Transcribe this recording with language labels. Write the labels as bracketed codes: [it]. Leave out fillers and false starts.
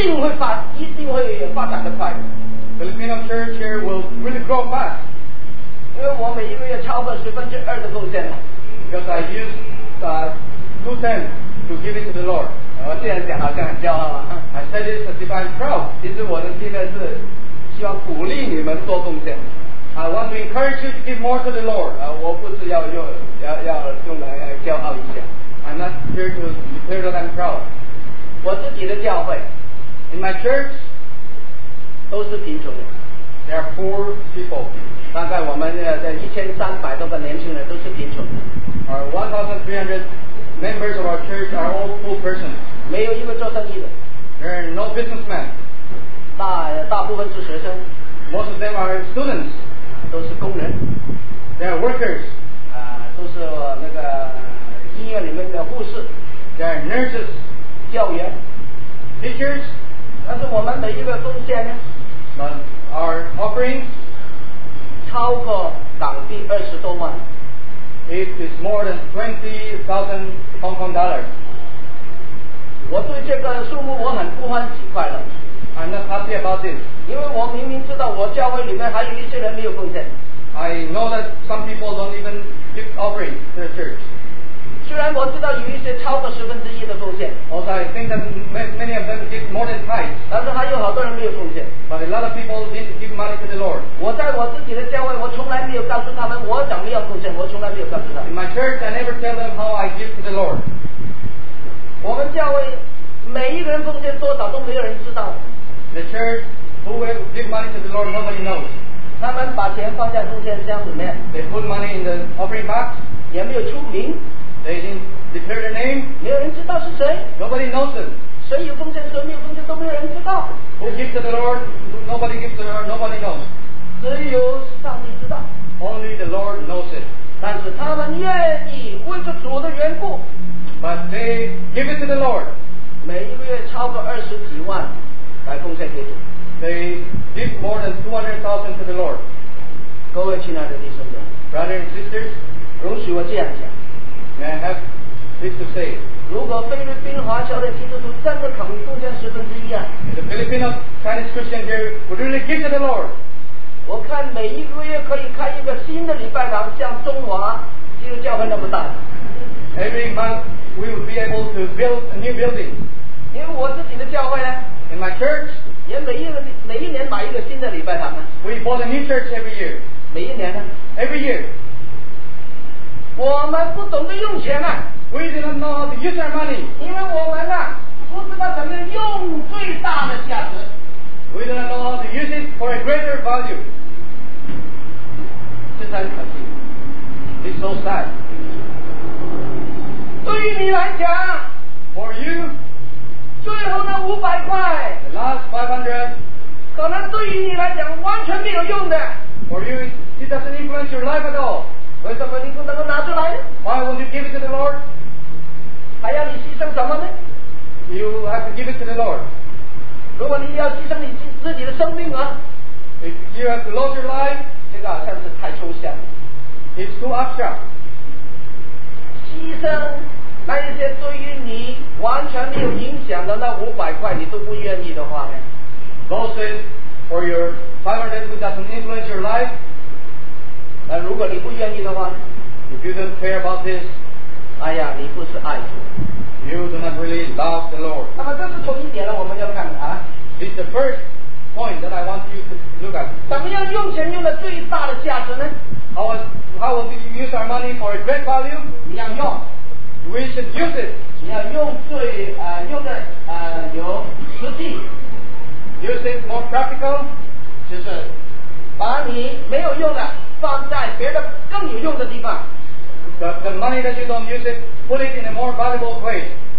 [zh] 菲律宾的教会一定会发展得快, [en] Filipino church here will really grow fast, [zh] 因为我每一个月超过10%的贡献, [en] because I use 2/10 to give it to the Lord. [zh] 我这样讲好像很骄傲啊, [en] I said this as if I'm proud. [zh] 其实我的心态是希望鼓励你们多贡献, [en] I want to encourage you to give more to the Lord. [zh] 我不是要用来骄傲一下, [en] I'm not here to declare that I'm proud. [zh] 我自己的教会, [en] in my church, [zh] 都是贫穷的, [en] they are poor people. [zh] 大概我们的1300多个年轻人都是贫穷的, [en] our 1300 members of our church are all poor persons. [zh] 没有一个做生意的, [en] there are no businessmen. [zh] 大部分是学生, [en] most of them are students. [zh] 都是工人, [en] they are workers. [zh] 都是那个医院里面的护士, [en] they are nurses, [zh] 教员, [en] teachers. [zh] 但是我们每一个贡献呢, [en] but our offering [zh] 超过港币20多万, [en] it is more than 20,000 Hong Kong dollars. [zh] 我对这个数目我很不欢喜快乐, [en] I'm not happy about this, [zh] 因为我明明知道我教会里面还有一些人没有贡献, [en] I know that some people don't even give offering to the church. [zh] 虽然我知道有一些超过1/10的贡献, [en] also I think that many of them give more than tithes, [zh] 但是还有好多人没有奉献, [en] but a lot of people didn't give money to the Lord. [zh] 我在我自己的教会我从来没有告诉他们我怎么样奉献我从来没有告诉他们, [en] in my church I never tell them how I give to the Lord. [zh] 我们教会每一个人奉献多少都没有人知道, [en] the church who will give money to the Lord, nobody knows. [zh] 他们把钱放在奉献箱里面, [en] they put money in the offering box, [zh] 也没有出名, [en] they didn't declare their name, [zh] 没有人知道是谁, [en] nobody knows them. [zh] 谁有奉献谁没有奉献都没有人知道, [en] who gives to the Lord, nobody gives to the Lord, nobody knows. [zh] 只有上帝知道, [en] only the Lord knows it. [zh] 但是他们愿意为着主的缘故, [en] but they give it to the Lord. [zh] 每一个月超过20几万来奉献给主, [en] they give more than 200,000 to the Lord. [zh] 各位亲爱的弟兄们, [en] brothers and sisters, [zh] 容许我这样讲, [en] may I have this to say, [zh] 如果菲律宾华侨的基督徒真的肯贡献十分之一啊, [en] if the Filipino Chinese Christian here would really give to the Lord, [zh] 我看每一个月可以开一个新的礼拜堂，像中华基督教会那么大。 [en] Every month we will be able to build a new building. [zh] 因为我自己的教会呢 [en] ，In my church， [zh] 也每一年买一个新的礼拜堂呢。 [en] We bought a new church every year. [zh] 每一年呢 [en] ？Every year. [zh] 我们不懂得用钱啊。 [en] We did not know how to use our money. [zh] 因为我们啊，不知道怎么用最大的价值。 [en] We do not know how to use it for a greater value. [zh] 这才可惜。 [en] It's so sad. [zh] 对于你来讲 [en] ，For you， [zh] 最后那500块 [en] ，The last 500， [zh] 可能对于你来讲完全没有用的。 [en] For you, it doesn't influence your life at all. [zh] 为什么你不能够拿出来 [en] ？Why won't you give it to the Lord？ [zh] 还要你牺牲什么呢 [en] ？You have to give it to the Lord. [zh] 如果你要牺牲你自己的生命啊 [en] ，If you have to lose your life， [zh] 这个好像是太抽象了。 [en] It's too abstract。 [zh] 牺牲那一些对于你完全没有影响的那500块，你都不愿意的话呢 [en] ？Lose it for your 500 who doesn't influence your life。 [zh] 那如果你不愿意的话 [en] ，If you don't care about this， [zh] 哎呀，你不是爱主。 [en] You do not really love the Lord. [zh] 那么这是从一点呢，我们要看啊。 [en] It's the first point that I want you to look at. [zh] 怎么样用钱用的最大的价值呢 [en] ？How will you use our money for a great value? [zh] 你要用。 [en] We should use it. [zh] 你要用最用的有实际。 [en] Use it more practical. [zh] 就是把你没有用的放在别的更有用的地方。 [en] The money that you don't use it, put it in a more valuable place.